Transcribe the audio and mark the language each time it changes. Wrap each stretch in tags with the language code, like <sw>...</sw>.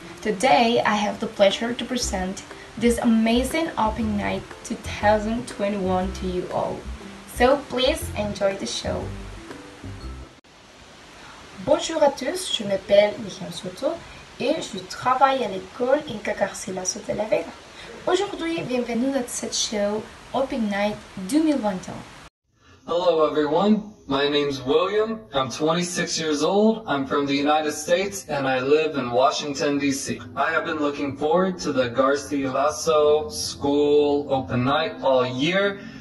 <en>Today I have the pleasure to present this amazing Open Night 2021 to you all. So please enjoy the show.</en> <fr>Bonjour à tous, je m'appelle Miriam Soto et je travaille à l'école Inca Garcilaso de la Vega. Aujourd'hui, bienvenue à cette show Open Night 2021.</fr> <en>Hello everyone, my name's William, I'm 26 years old, I'm from the United States and I live in Washington DC. I have been looking forward to the Garcilaso School Open Night all year.</en>